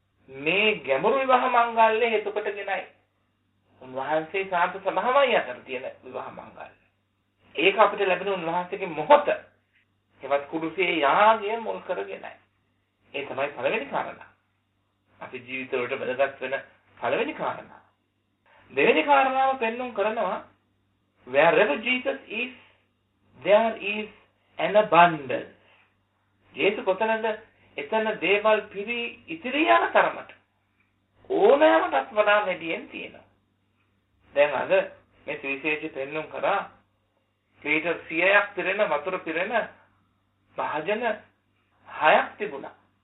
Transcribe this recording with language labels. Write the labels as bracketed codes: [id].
[si] මේ ගැඹුරු විවාහ මංගල්‍ය හේතු කොටගෙනයි උන්වහන්සේ සාන්ත සභාවයි අතර තියෙන විවාහ මංගල්‍ය. ඒක අපිට ලැබෙන උන්වහන්සේගේ මොහොත හෙවත් කුඩුසේ යාගය මුල් කරගෙනයි. ඒ තමයි පළවෙනි කාරණා. අපි ජීවිතවලට වැදගත් වෙන පළවෙනි කාරණා. දෙවෙනි කාරණාව පෙන්නුම් කරනවා [en] wherever Jesus is there is an abundance. [si] ජේසු කොතනද එතන දේවල් පිරි ඉතිරි යන තරමට ඕනෑම තත්වනා මෙදීෙන් තියෙනවා. දැන් අද මේ සුවිශේෂය පෙන්නුම් කරා ලීටර් 100ක් පිරෙන වතුර පිරෙන භාජන 6ක් තිබුණා.